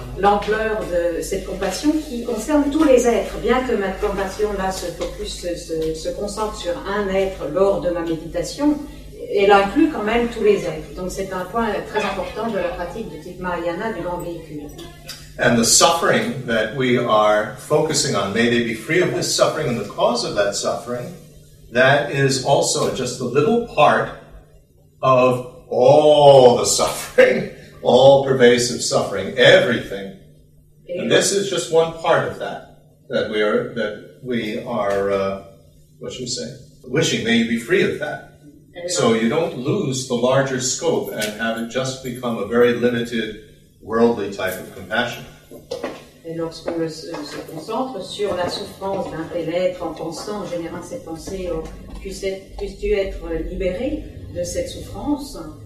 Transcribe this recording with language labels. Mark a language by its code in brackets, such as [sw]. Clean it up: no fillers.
[fr] L'ampleur de cette compassion qui concerne tous les êtres, bien que ma compassion là se focus, se concentre sur un être lors de ma méditation, elle inclut quand même tous les êtres. Donc c'est un point très important de la pratique du type Mahayana du long véhicule. [en] And the suffering that we are focusing on, may they be free of this suffering and the cause of that suffering, that is also just a little part of all the suffering. All pervasive suffering, everything, and this is just one part of that. What should we say? Wishing, may you be free of that, so you don't lose the larger scope and have it just become a very limited, worldly type of compassion. [fr] Et lorsqu'on se concentre sur la souffrance d'un tel être en pensant, en générant cette pensée, puisses-tu être libéré de cette souffrance?